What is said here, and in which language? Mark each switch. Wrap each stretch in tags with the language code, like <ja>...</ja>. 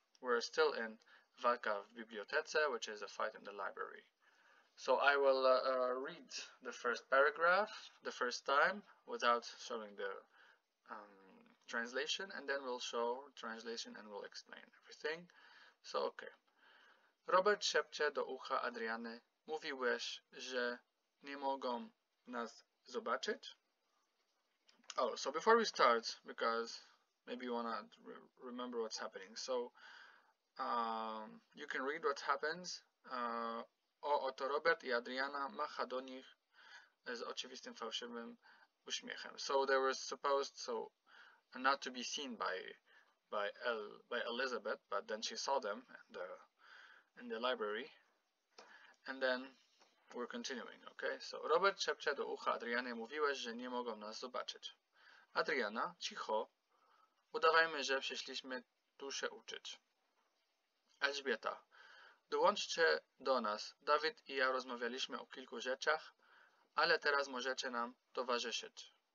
<en>We're still in Walka w bibliotece, which is a fight in the library. So I will read the first paragraph the first time without showing the translation, and then we'll show translation and we'll explain everything. So, okay.</en> <pl>Robert szepcze do ucha Adriany: Mówiłeś, że nie mogą nas zobaczyć?</pl> <en>Oh, so before we start, because maybe you want to re remember what's happening. So you can read what happens.</en> <pl>Oto Robert i Adriana macha do nich z oczywistym fałszywym uśmiechem.</pl> <en>So they were supposed so not to be seen by Elizabeth, but then she saw them in the library. And then we're continuing, okay?</en> <pl>So Robert szepcze do ucha Adriany: Mówiłeś, że nie mogą nas zobaczyć. Adriana: Cicho. Udawajmy, że przyszliśmy tu się uczyć. Elżbieta: Dołączcie do nas. Dawid i ja rozmawialiśmy o kilku rzeczach, ale teraz możecie nam towarzyszyć.</pl>